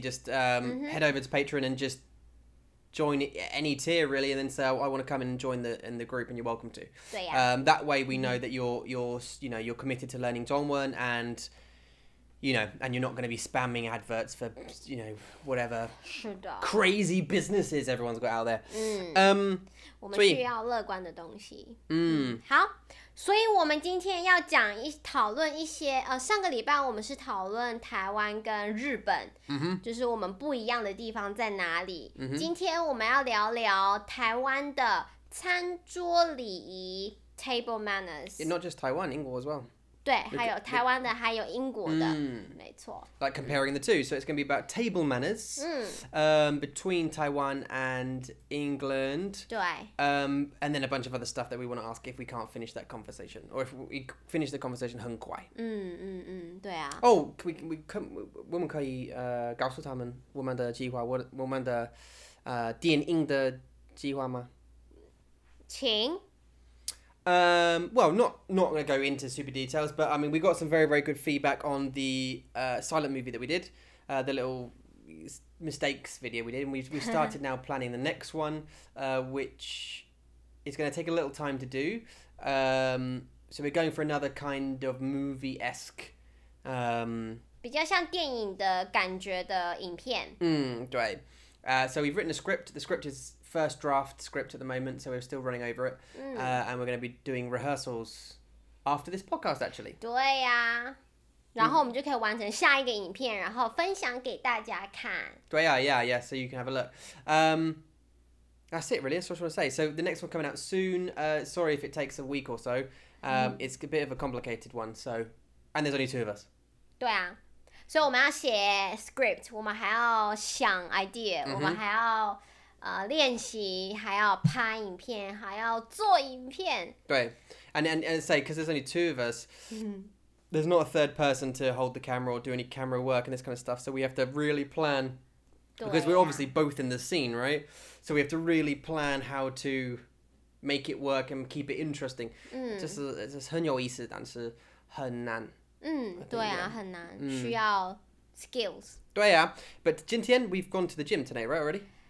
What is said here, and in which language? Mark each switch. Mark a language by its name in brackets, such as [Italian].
[English] Just head over to Patreon and just. Join any tier really, and then say, oh, "I want to come and join the group," and you're welcome to. That way, we know that you're committed to learning 中文, and you know, and you're not going to be spamming adverts for you know whatever crazy businesses everyone's got out there. [Chinese] 我们需要乐观的东西。好，所以我们今天要讲一讨论一些上个礼拜我们是讨论台湾跟日本、嗯、就是我们不一样的地方在哪里、嗯、今天我们要聊聊台湾的餐桌礼仪 [English] table manners、 yeah, not just Taiwan, 英国 as well [Chinese] 对还有台湾的还有英国的、嗯、没错 [English] like comparing the two so it's going to be about table manners、嗯 between Taiwan and England [Chinese] 对、 [English] and then a bunch of other stuff that we want to ask if we can't finish that conversation or if we finish the conversation [Chinese] 很快嗯嗯嗯对啊 [English] oh we [Chinese] 我们可以、告诉他们我们的计划我们的、电影的计划吗请 [English] well not gonna go into super details but I mean we got some very very good feedback on the silent movie that we did the little mistakes video we did and we started now planning the next one which is going to take a little time to do so we're going for another kind of movie-esque [Chinese] 比较像电影的感觉的影片 [English] 对 so we've written a script the script isfirst draft script at the moment so we're still running over it、嗯、 and we're going to be doing rehearsals after this podcast actually [Chinese] 对呀、啊、然后我们就可以完成下一个影片然后分享给大家看对呀、啊、 [English] yeah yeah so you can have a look that's it really that's what I want to say so the next one coming out soon sorry if it takes a week or so、嗯、it's a bit of a complicated one so and there's only two of us [Chinese] 对啊所以我们要写 script 我们还要想 idea、 mm-hmm. 我们还要练习还要拍影片还要做影片 [English] 对 and say because there's only two of us there's not a third person to hold the camera or do any camera work and this kind of stuff so we have to really plan because、啊、 we're obviously both in the scene right so we have to really plan how to make it work and keep it interesting、嗯、 [Chinese] 就是很有意思但是很难嗯对啊很难、嗯、需要 skills 对啊 [English] but [Chinese] 今天 [English] we've gone to the gym today right already